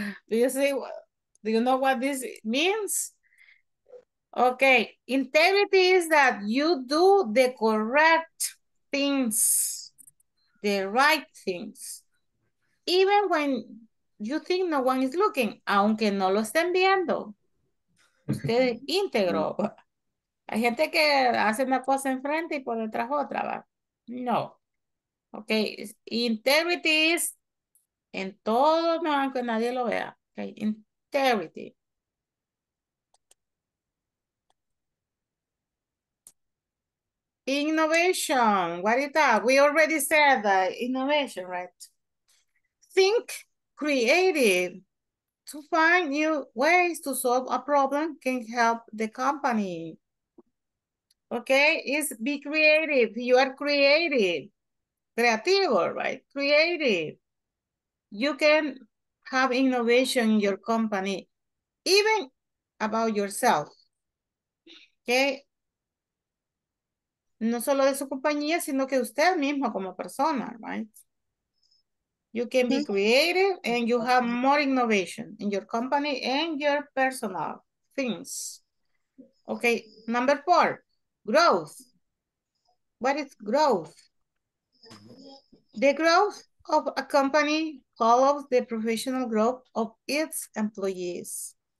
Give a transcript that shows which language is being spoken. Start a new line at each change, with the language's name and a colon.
English: Do you know what this means? Okay, integrity is that you do the correct things, the right things, even when you think no one is looking,
Spanish: aunque no lo estén viendo. Usted es íntegro. Hay gente que hace una cosa enfrente y por detrás otra, ¿va? No.
English: Okay, integrity is
Spanish: en todo, no, aunque nadie lo vea.
English: Okay, integrity. Innovation, what is that? We already said that innovation, right? Think creative. To find new ways to solve a problem can help the company. Okay, it's be creative. You are creative. Creativo, right? Creative. You can have innovation in your company, even about yourself. Okay?
Spanish: No solo de su compañía, sino que usted mismo como persona, right?
English: You can be creative and you have more innovation in your company and your personal things. Okay, number four, growth. What is growth? The growth of a company follows the professional growth of its employees.